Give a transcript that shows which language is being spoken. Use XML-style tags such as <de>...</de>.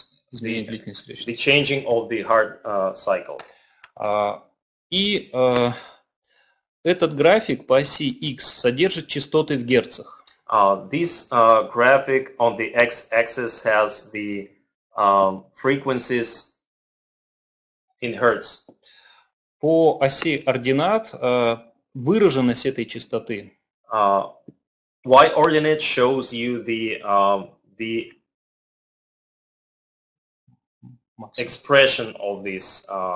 <ru>изменение длительности сердечного цикла.</ru> <en>The changing of the heart cycle.</en> <ru>Этот график по оси X содержит частоты в герцах.</ru> <en>This graphic on the X-axis has the frequencies in hertz.</en> <ru>По оси ординат выраженность этой частоты.</ru> <en>Y ordinate shows you the expression of this</en>